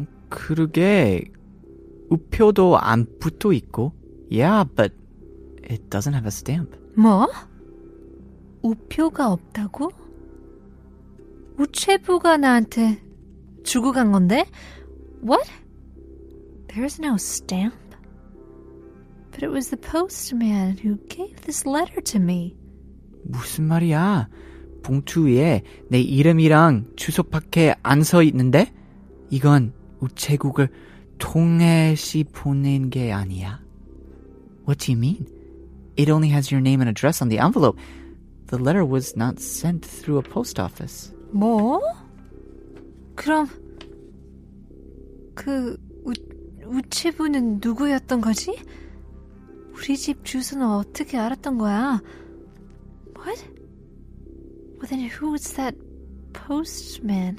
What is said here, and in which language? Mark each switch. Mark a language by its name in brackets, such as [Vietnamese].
[Korean] 그러게 우표도 안 붙어 있고. [English] Yeah, but it doesn't have a stamp. [Korean] 뭐? 우표가 없다고? 우체부가 나한테 주고 간 건데 [English] What? There's no stamp. But it was the postman who gave this letter to me. [Korean] 무슨 말이야? 봉투 위에 내 이름이랑 주소밖에 안 써 있는데? 이건 우체국을 통해시 보낸 게 아니야. [English] What do you mean? It only has your name and address on the envelope. The letter was not sent through a post office. [Korean] 뭐? 그럼 그 우체부는 누구였던 거지? 우리 집 주소는 어떻게 알았던 거야? [English] What? Well, then who was that postman?